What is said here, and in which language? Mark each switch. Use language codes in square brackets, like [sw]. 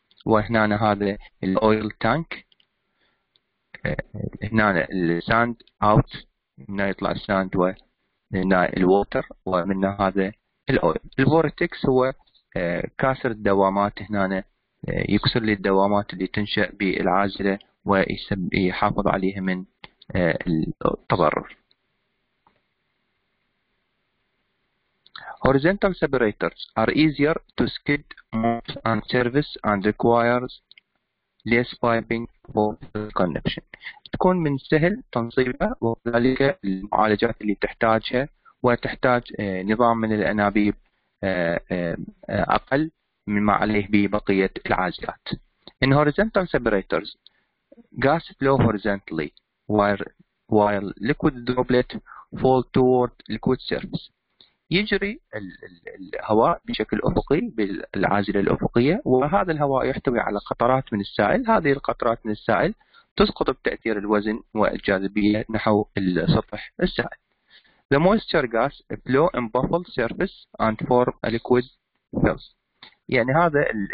[ar] وهنا هذا الأويل تانك، هنا الساند اوت، هنا يطلع الساند، وهنا الووتر، ومن هذا الاويل. الفورتكس هو كاسر الدوامات، هنا يكسر لي الدوامات اللي تنشا بالعازله ويحافظ عليها من التضرر. [en] Horizontal separators are easier to skid mount and service and requires less piping for connection. [ar] تكون من سهل تنصيبها، وذلك المعالجات اللي تحتاجها وتحتاج نظام من الأنابيب أقل مما عليه ببقية العازلات. [en] In horizontal separators, gas flow horizontally while liquid droplet fall toward liquid surface. [ar] يجري الهواء بشكل أفقي بالعازلة الأفقية، وهذا الهواء يحتوي على قطرات من السائل. هذه القطرات من السائل تسقط بتأثير الوزن والجاذبية نحو السطح السائل. [en] The moisture gas flow in buffled surface and form a liquid film. [ar] يعني هذا